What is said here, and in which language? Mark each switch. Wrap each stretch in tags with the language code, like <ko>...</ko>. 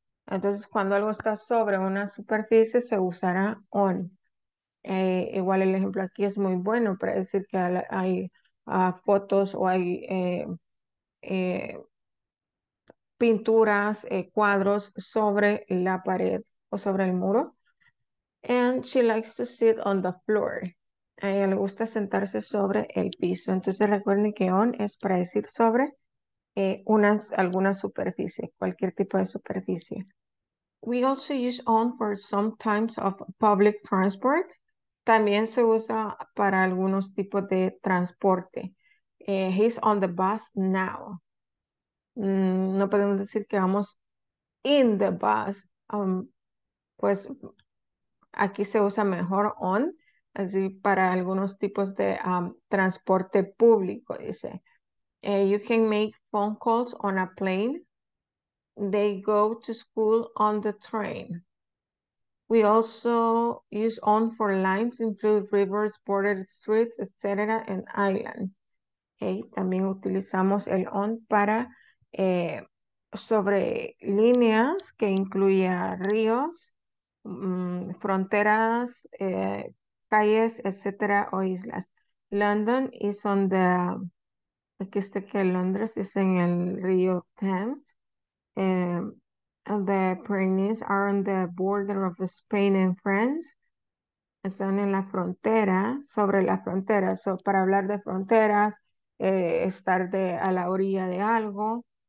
<es>Entonces, cuando algo está sobre una superficie, se usará on. Igual el ejemplo aquí es muy bueno para decir que hay fotos o hay pinturas, cuadros sobre la pared o sobre el muro.</es> <en>And she likes to sit on the floor.</en> <es>A ella le gusta sentarse sobre el piso. Entonces recuerden que on es para decir sobre alguna superficie, cualquier tipo de superficie.</es> <en>We also use on for some types of public transport.</en> <es>También se usa para algunos tipos de transporte.</es> <en>He's on the bus now.</en> <es>No podemos decir que vamos</es> <en>in the bus.</en> <es>Pues aquí se usa mejor on, así para algunos tipos de transporte público, dice.</es> <en>You can make phone calls on a plane. They go to school on the train. We also use on for lines, include rivers, bordered streets, etc., and island. Okay.</en> <es>También utilizamos el on para sobre líneas que incluya ríos, fronteras, calles, etc., o islas.</es> <en>London is on the.</en> <es>Aquí está que Londres es en el río Thames.</es> <en>The Pyrenees are on the border of Spain and France.</en> <es>Están en la frontera, sobre la frontera. So, para hablar de fronteras, estar a la orilla de algo.</es>